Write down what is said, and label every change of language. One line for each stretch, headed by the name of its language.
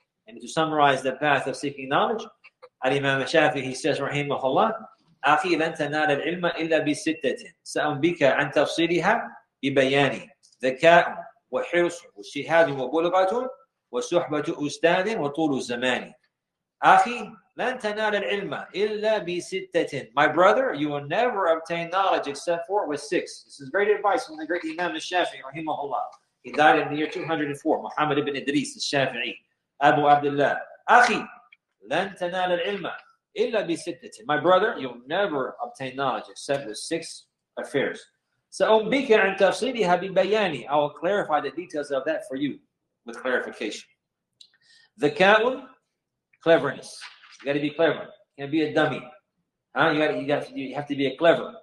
English: And to summarize the path of seeking knowledge, Al-Imam al-Shafi, he says, rahimahullah,
Arabic: أخي لن تنال العلم إلا بستة سأنبك عن تفصيلها ببيان ذكاء وحرص واجتهاد وبلغة وصحبة أستاذ وطول الزمان أخي لن تنال العلم إلا بستة.
English: My brother, you will never obtain knowledge except for with six. This is great advice from the great Imam al-Shafi'i, rahimahullah. He died in the year 204, Muhammad ibn Idris al-Shafi'i, Abu Abdullah.
Arabic: أخي لن تنال العلم إلا بستة.
English: My brother, you'll never obtain knowledge except with six affairs.
Arabic: سأنبك عن تفصيلها ببيان.
English: I will clarify the details of that for you with clarification. The ذكاء, cleverness. You got to be clever. You can't be a dummy. Huh? You have to be clever.